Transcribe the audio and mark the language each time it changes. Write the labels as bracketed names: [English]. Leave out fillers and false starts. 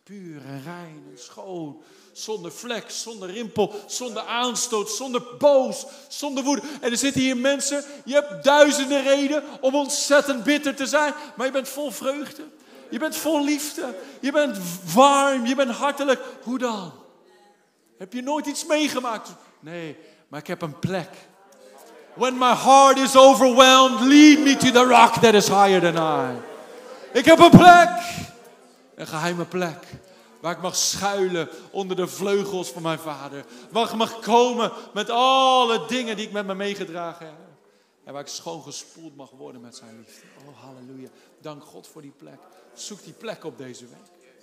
[Dutch] puur en rein en schoon. Zonder vlek, zonder rimpel, zonder aanstoot, zonder boos, zonder woede. En er zitten hier mensen, je hebt duizenden redenen om ontzettend bitter te zijn. Maar je bent vol vreugde. Je bent vol liefde. Je bent warm, je bent hartelijk. Hoe dan? Heb je nooit iets meegemaakt? Nee, maar ik heb een plek. [English] When my heart is overwhelmed, lead me to the rock that is higher than I. [Dutch] Ik heb een plek. Een geheime plek. Waar ik mag schuilen onder de vleugels van mijn vader. Waar ik mag komen met alle dingen die ik met me meegedragen heb. En waar ik schoon gespoeld mag worden met zijn liefde. Oh, halleluja. Dank God voor die plek. Zoek die plek op deze week.